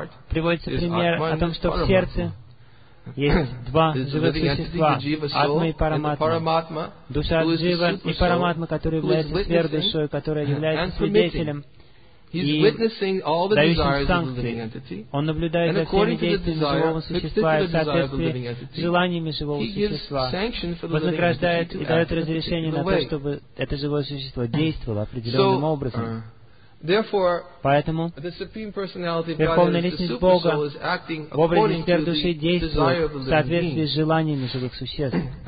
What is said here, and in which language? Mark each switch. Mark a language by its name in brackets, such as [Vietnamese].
[Russian] Приводится пример о том, что в сердце есть два живых существа, Атма и Параматма. Душа Джива и Параматма, которые являются сверхдушой, которые являются свидетелем [English] He's witnessing all the desires of the living entity. [Russian] Он наблюдает за всеми действиями живого существа и в соответствии с желаниями живого существа. Вознаграждает и дает разрешение на то, чтобы это живое существо действовало определенным образом. Поэтому Верховная Личность Бога в образе Сверхдуши действует в соответствии с желаниями живых существ.